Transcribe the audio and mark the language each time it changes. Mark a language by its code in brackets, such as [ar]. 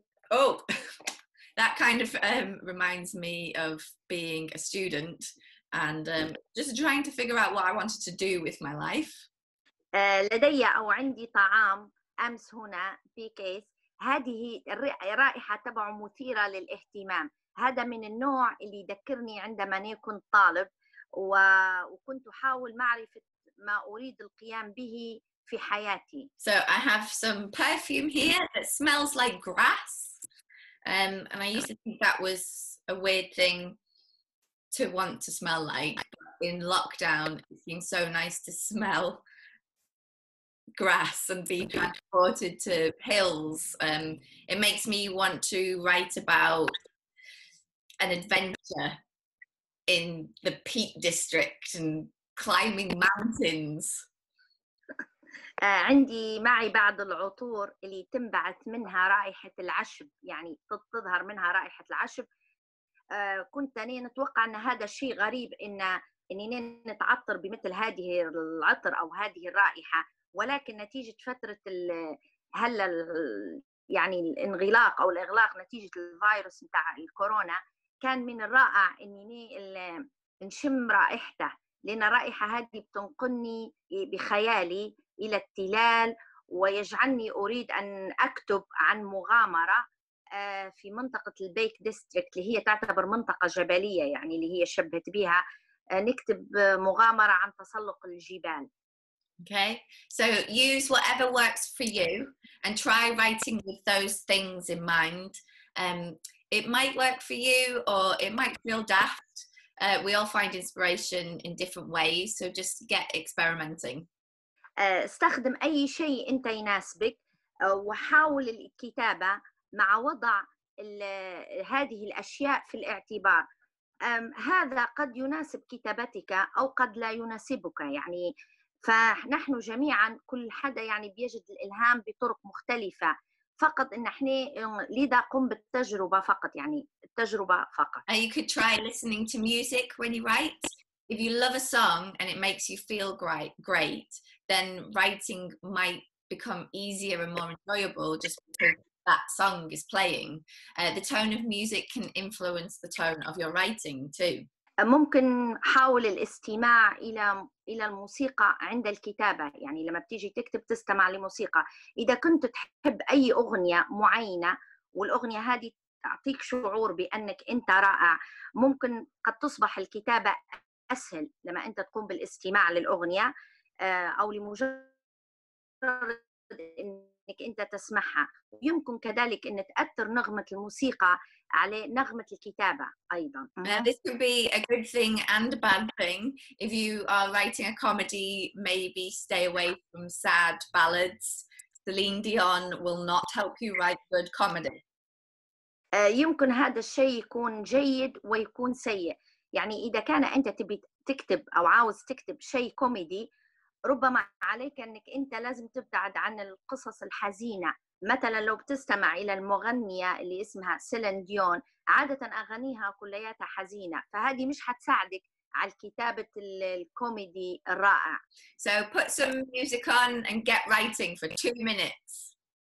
[en] Oh, that kind of reminds me of being a student and just trying to figure out what I wanted to do with my life. [ar] لدي أو عندي طعام أمس هنا في كيس. هذه رائحة تبعه مثيرة للاهتمام. هذا من النوع اللي يذكرني عندما أنا كنت طالب وكنت أحاول معرفة ما أريد القيام به في حياتي. [en] So I have some perfume here that smells like grass. And I used to think that was a weird thing to want to smell like. In lockdown, it seems so nice to smell grass and be transported to hills. It makes me want to write about an adventure in the Peak District and climbing mountains. [ar] عندي معي بعض العطور اللي تنبعث منها رائحة العشب, يعني تظهر منها رائحة العشب. كنت أنا نتوقع أن هذا شيء غريب أني نتعطر بمثل هذه العطر أو هذه الرائحة, ولكن نتيجة فترة هلا يعني الانغلاق أو الإغلاق نتيجة الفيروس بتاع الكورونا, كان من الرائع أني نشم رائحته, لأن الرائحة هذه بتنقلني بخيالي إلى التلال ويجعلني أريد أن أكتب عن مغامرة في منطقة البيك ديستريكت اللي هي تعتبر منطقة جبلية, يعني اللي هي شبهت بها, نكتب مغامرة عن تسلق الجبال. [en] Okay, so use whatever works for you and try writing with those things in mind. It might work for you or it might feel daft. We all find inspiration in different ways, so just get experimenting. [ar] استخدم أي شيء أنت يناسبك وحاول الكتابة مع وضع هذه الأشياء في الاعتبار. هذا قد يناسب كتابتك أو قد لا يناسبك, يعني فنحن جميعا كل حدا يعني بيجد الإلهام بطرق مختلفة, فقط إن إحنا لذا قم بالتجربة فقط, يعني التجربة فقط. [en] And you could try listening to music when you write. If you love a song and it makes you feel great, then writing might become easier and more enjoyable just because that song is playing. The tone of music can influence the tone of your writing too. [ar] ممكن حاول الاستماع إلى الموسيقى عند الكتابة, يعني لما بتيجي تكتب تستمع لموسيقى. إذا كنت تحب أي أغنية معينة والأغنية هذه تعطيك شعور بأنك أنت رائع, ممكن قد تصبح الكتابة أسهل لما أنت تقوم بالاستماع للأغنية أو لمجرد أنك أنت تسمعها. يمكن كذلك أن تأثر نغمة الموسيقى على نغمة الكتابة أيضا. [en] This could be a good thing and a bad thing. If you are writing a comedy, maybe stay away from sad ballads. Celine Dion will not help you write good comedy. [ar] يمكن هذا الشيء يكون جيد ويكون سيء. يعني إذا كان أنت تبي تكتب أو عاوز تكتب شيء كوميدي, ربما عليك أنك أنت لازم تبتعد عن القصص الحزينة. مثلا لو بتستمع إلى المغنية اللي اسمها سيلين ديون, عادة أغانيها كلياتها حزينة, فهذه مش هتساعدك على كتابة الكوميدي الرائع. [en] So put some music on and get writing for 2 minutes.